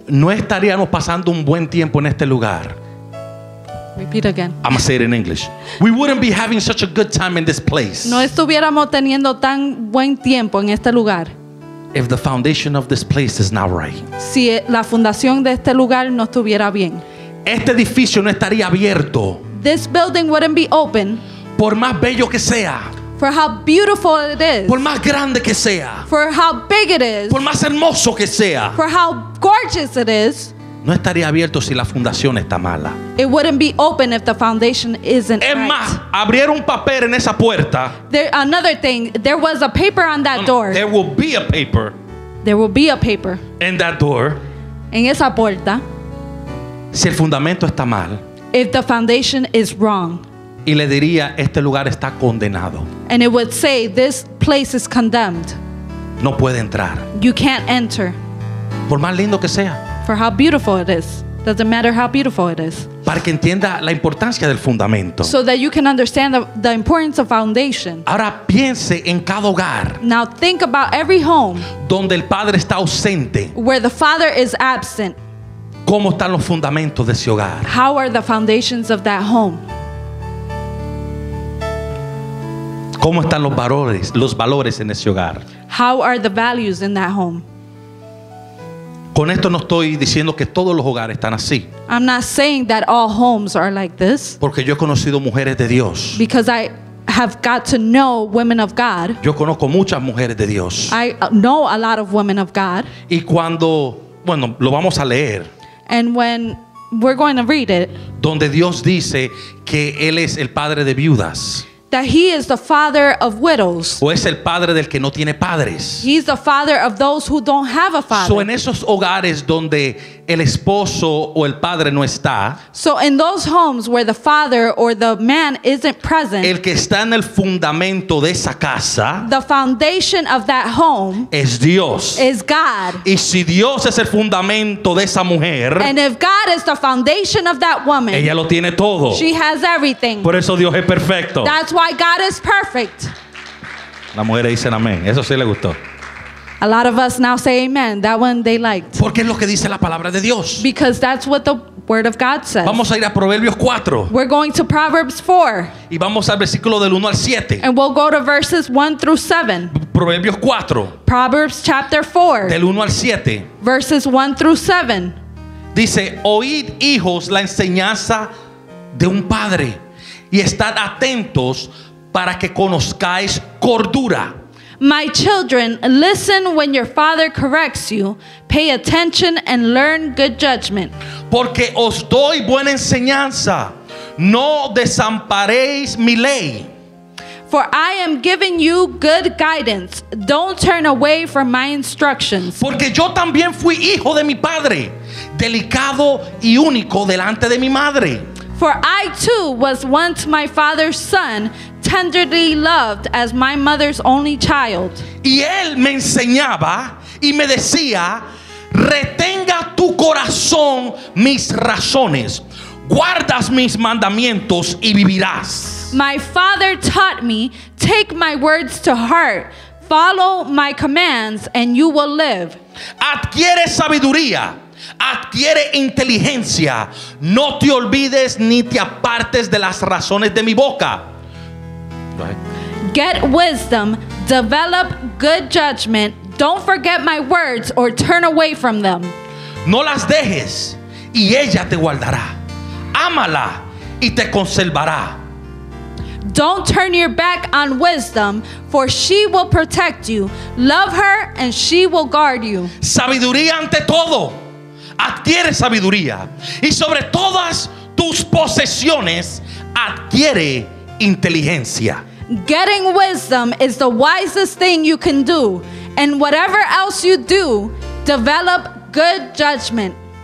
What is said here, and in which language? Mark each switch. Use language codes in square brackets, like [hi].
[es] No estaríamos pasando un buen tiempo en este lugar. [en] Repeat again. I'm gonna say it in English. We wouldn't be having such a good time in this place. [es] No estuviéramos teniendo tan buen tiempo en este lugar. [en] If the foundation of this place is not right. [es] Si la fundación de este lugar no estuviera bien. Este edificio no estaría abierto. [en] This building wouldn't be open. [es] Por más bello que sea. [en] For how beautiful it is. [es] Por más grande que sea. [en] For how big it is. [es] Por más hermoso que sea. [en] For how gorgeous it is. [es] No estaría abierto si la fundación está mala. [en] It wouldn't be open if the foundation isn't [es] es [en] right. [es] Es más, abrieron un papel en esa puerta. [en] There, another thing, there was a paper on that door. There will be a paper. There will be a paper. In that door. [es] En esa puerta. Si el fundamento está mal. [en] If the foundation is wrong. [es] Y le diría, este lugar está condenado. [en] And it would say, this place is condemned. [es] No puede entrar. [en] You can't enter. [es] Por más lindo que sea. [en] For how beautiful it is. Doesn't matter how beautiful it is. [es] Para que entienda la importancia del fundamento. [en] So that you can understand the importance of foundation. [es] Ahora piense en cada hogar. [en] Now think about every home. [es] Donde el padre está ausente. [en] Where the father is absent. [es] ¿Cómo están los fundamentos de ese hogar? [en] How are the foundations of that home? [es] ¿Cómo están los valores en ese hogar? [en] How are the values in that home? [es] Con esto no estoy diciendo que todos los hogares están así. [en] I'm not saying that all homes are like this. [es] Porque yo he conocido mujeres de Dios. [en] Because I have got to know women of God. [es] Yo conozco muchas mujeres de Dios. [en] I know a lot of women of God. [es] Y cuando, bueno, lo vamos a leer. [en] And when we're going to read it. [es] Donde Dios dice que Él es el padre de viudas. [en] That he is the father of widows. [es] O es el padre del que no tiene padres. [en] He's the father of those who don't have a father. [es] So en esos hogares donde el esposo o el padre no está. [en] So in those homes where the father or the man isn't present. [es] El que está en el fundamento de esa casa. [en] The foundation of that home. [es] Es Dios. [en] Is God. [es] Y si Dios es el fundamento de esa mujer. [en] And if God is the foundation of that woman. [es] Ella lo tiene todo. [en] She has everything. [es] Por eso Dios es perfecto. [en] That's why God is perfect. [es] La mujer dice amén. Eso sí le gustó. [en] A lot of us now say amen. That one they liked. [es] Porque es lo que dice la palabra de Dios. [en] Because that's what the word of God says. [es] Vamos a ir a Proverbios 4. [en] We're going to Proverbs 4. [es] Y vamos al versículo del 1 al 7. [en] And we'll go to verses 1 through 7. [es] Proverbios 4. [en] Proverbs chapter 4. [es] Del 1 al 7. [en] Verses 1 through 7. [es] Dice, oíd hijos la enseñanza de un padre. Y estad atentos para que conozcáis cordura. [en] My children, listen when your father corrects you. Pay attention and learn good judgment. [es] Porque os doy buena enseñanza. No desamparéis mi ley. [en] For I am giving you good guidance. Don't turn away from my instructions. [es] Porque yo también fui hijo de mi padre, delicado y único delante de mi madre. [en] For I too was once my father's son, tenderly loved as my mother's only child. [es] Y él me enseñaba y me decía, retenga tu corazón mis razones, guardas mis mandamientos y vivirás. [en] My father taught me, take my words to heart, follow my commands and you will live. [es] Adquiere sabiduría. Adquiere inteligencia. No te olvides ni te apartes de las razones de mi boca. [en] Get wisdom. Develop good judgment. Don't forget my words or turn away from them. [es] No las dejes y ella te guardará. Ámala y te conservará. [en] Don't turn your back on wisdom, for she will protect you. Love her and she will guard you. [es] Sabiduría ante todo. Adquiere sabiduría y sobre todas tus posesiones adquiere inteligencia. [en] Getting wisdom is the wisest thing you can do, and whatever else you do, develop good judgment.